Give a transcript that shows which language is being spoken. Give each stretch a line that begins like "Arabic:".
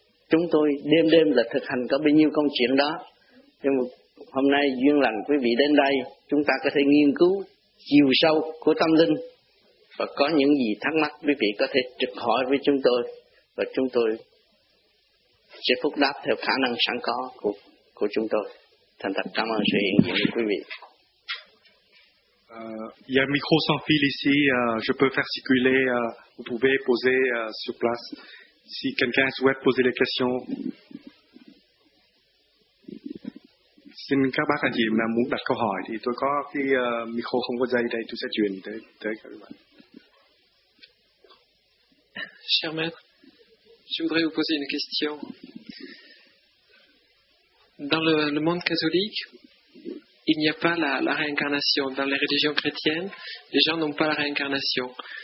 Vietnamese: Chúng tôi đêm đêm là thực hành có bao nhiêu công chuyện đó. Nhưng mà hôm nay duyên lành quý vị đến đây, chúng ta có thể nghiên cứu chiều sâu của tâm linh, và có những gì thắc mắc quý vị có thể trực hỏi với chúng tôi, và chúng tôi sẽ phúc đáp theo khả năng sẵn có của chúng tôi. Thành thật cảm ơn sự hiện diện của quý vị.
French: Il y a un micro sans fil ici, je peux faire circuler, vous pouvez poser sur place si quelqu'un souhaite poser des questions.
Vietnamese: Xin các bác anh chị mà muốn đặt câu hỏi thì tôi có cái micro không có dây đây, tôi sẽ truyền tới các bạn.
French: Cher maître, je voudrais vous poser une question. Dans le monde catholique, il n'y a pas la réincarnation. Dans les religions chrétiennes, les gens n'ont pas la réincarnation.